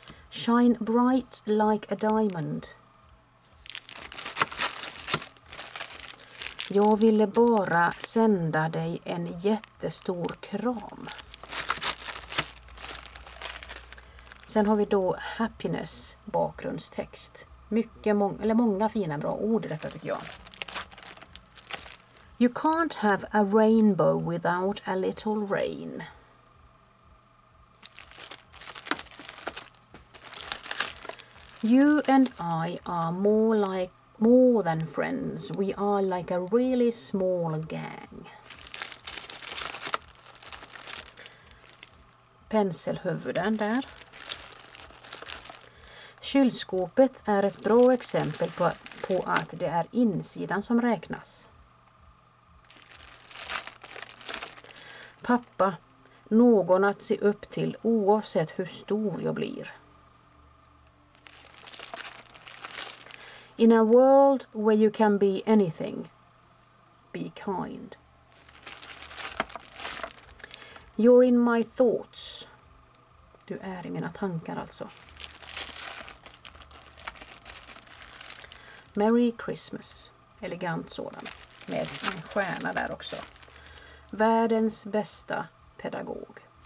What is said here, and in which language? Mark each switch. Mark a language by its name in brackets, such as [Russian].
[English] Shine bright like a diamond. [Swedish] Jag ville bara sända dig en jättestor kram. Sen har vi då happiness bakgrundstext. Många fina bra ord i detta tycker jag. [English] You can't have a rainbow without a little rain. You and I are more than friends. We are like a really small gang. [Swedish] Penselhuvuden där. Kylskåpet är ett bra exempel på att det är insidan som räknas. Pappa, någon att se upp till oavsett hur stor jag blir. [English] In a world where you can be anything, be kind. You're in my thoughts. [Swedish] Du är i mina tankar alltså. [English] Merry Christmas. [Swedish] Elegant sådan. Med en stjärna där också. Världens bästa pedagog.